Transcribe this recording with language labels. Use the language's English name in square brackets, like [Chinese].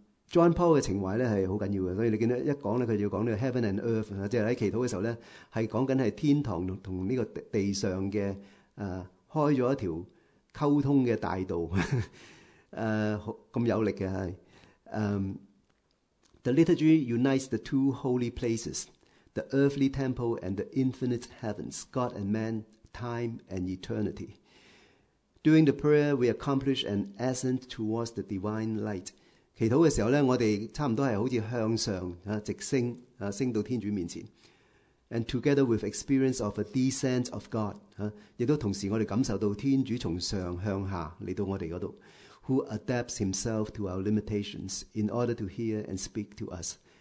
[Chinese] John Paul 的情怀是很重要的，所以你看到一讲他就要讲 [English] heaven and earth, [Chinese] 就是在祈祷的时候是讲的是天堂和这个地上的开了一条沟通的大道这么有力的。 [English] The liturgy unites the two holy places,the earthly temple and the infinite heavens, God and man, time and eternity. During the prayer, we accomplish an ascent towards the divine light. [Chinese] 祈祷的时候我们差不多是好像向上直升升到天主面前。 [English] And together with experience of a descent of God, [Chinese] 也都同时我们感受到天主从上向下来到我们那里 [English] who adapts himself to our limitations in order to hear and speak to us.